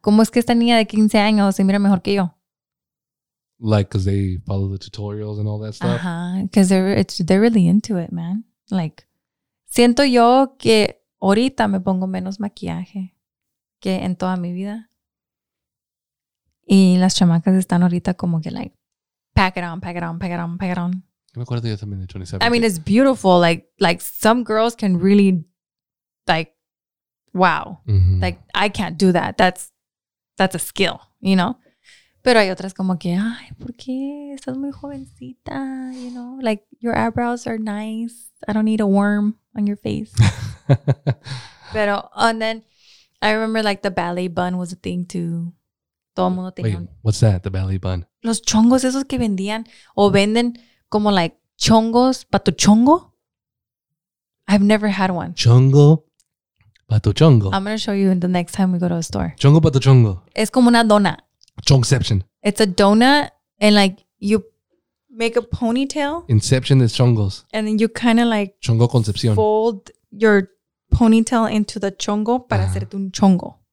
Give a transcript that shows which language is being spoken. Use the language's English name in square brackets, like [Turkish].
[Spanish] ¿Cómo es que esta niña de 15 años se mira mejor que yo? [English] Like, because they follow the tutorials and all that stuff? Uh-huh, because they're really into it, man. [Spanish] Like, siento yo que ahorita me pongo menos maquillaje que en toda mi vida. Y las chamacas están ahorita como que like, [English] pack it on, pack it on, pack it on, pack it on. [Spanish] Me acuerdo yo también de 27. [English] I mean, it's beautiful. Like some girls can really, like, wow. Mm-hmm. Like, I can't do that. That's a skill, you know? [Spanish] Pero hay otras como que, ay, ¿por qué? Estás muy jovencita, [English] you know? Like, your eyebrows are nice. I don't need a worm on your face. [Spanish] Pero, [English] and then I remember like the ballet bun was a thing too. [Spanish] Todo mundo tenía. [English] Wait, what's that, the ballet bun? [Spanish] Los chongos esos que vendían o venden como like chongos para tu chongo. [English] I've never had one. [Spanish] Chongo para tu chongo. [English] I'm going to show you the next time we go to a store. [Spanish] Chongo para tu chongo. Es como una dona. [English] Chongception. It's a donut and like you make a ponytail. Inception is chongos. And then you kind of like [Spanish] chongo concepción. [English] Fold your ponytail into the chongo [Spanish] para hacerte un chongo.